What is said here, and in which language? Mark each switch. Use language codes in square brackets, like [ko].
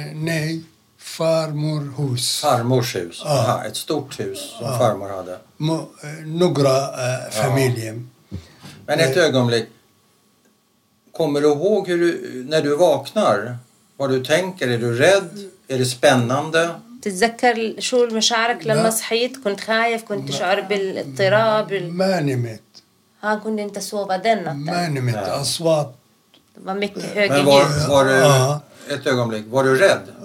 [sv] Nej, farmorhus. Farmors hus. Ett stort hus som farmor hade. Några familjen. Men ett ögonblick. Kommer du ihåg hur du, när du vaknar, vad du tänker? Är du rädd? Är det spännande? Du [ar] ذكر شو مشاعرك لما صحيت؟ كنت خايف؟ كنت تشعر بالاضطراب؟ ما نمت. ها كنت انت سوفا [sv] den natten. [ar] ما نمت. أصوات. [sv] Var mycket hög. Men var du ett ögonblick, var du rädd?